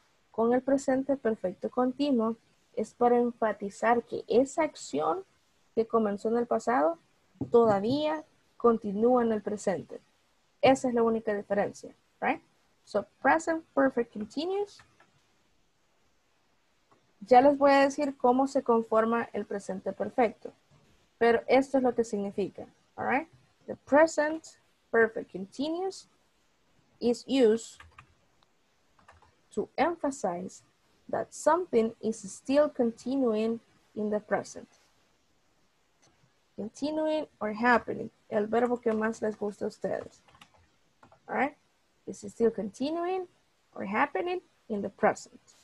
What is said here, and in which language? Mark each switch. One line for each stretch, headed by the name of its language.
Spanish: Con el presente perfecto continuo, es para enfatizar que esa acción que comenzó en el pasado todavía continúa en el presente. Esa es la única diferencia,
English: right? So, present perfect continuous.
Spanish: Ya les voy a decir cómo se conforma el presente perfecto. Pero esto es lo que significa,
English: all right? The present perfect continuous is used to emphasize that something is still continuing in the present. Continuing or happening,
Spanish: el verbo que más les gusta a ustedes.
English: All right? This is still continuing or happening in the present.